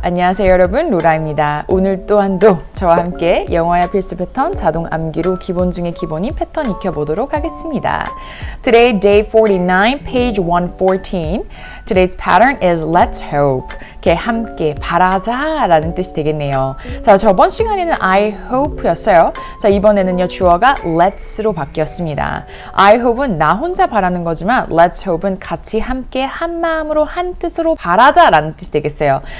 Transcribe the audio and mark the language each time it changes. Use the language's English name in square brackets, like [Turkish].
[Korean] 안녕하세요 여러분, 로라입니다. 오늘 또한도 저와 함께 영어의 필수 패턴, 자동 암기로 기본 중의 기본인 패턴 익혀보도록 하겠습니다. [English] Today, day 49, page 114. Today's pattern is let's hope. [Korean] 이렇게 함께 바라자 라는 뜻이 되겠네요. 자, 저번 시간에는 I hope였어요. 자, 이번에는요, 주어가 let's로 바뀌었습니다. I hope은 나 혼자 바라는 거지만 let's hope은 같이 함께 한 마음으로 한 뜻으로 바라자 라는 뜻이 되겠어요.